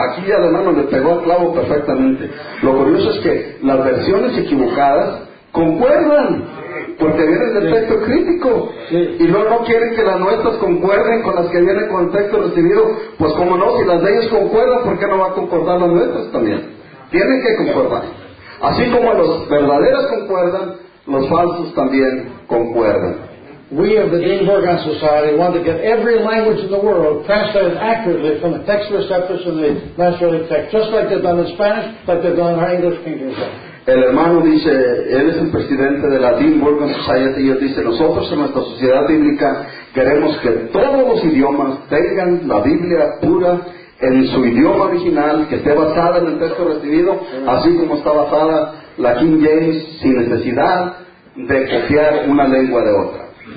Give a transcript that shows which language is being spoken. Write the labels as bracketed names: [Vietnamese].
[Spanish] Aquí ya la mano le pegó el clavo perfectamente. Lo curioso es que las versiones equivocadas concuerdan, porque vienen del texto crítico, y luego no quieren que las nuestras concuerden con las que vienen con el texto recibido. Pues como no, si las de ellos concuerdan, ¿por qué no va a concordar las nuestras también? Tienen que concordar. Así como los verdaderos concuerdan, los falsos también concuerdan. [English] We of the Dean Burgon Society want to get every language in the world translated accurately from the text receptors and the masoretic text, just like they've done in Spanish, like they've done in our English kingdom. [Spanish] El hermano dice, él es el presidente de la Dean Burgon Society, y él dice, nosotros en nuestra sociedad bíblica queremos que todos los idiomas tengan la Biblia pura en su idioma original, que esté basada en el texto recibido, así como está basada la King James, sin necesidad de copiar una lengua de otra.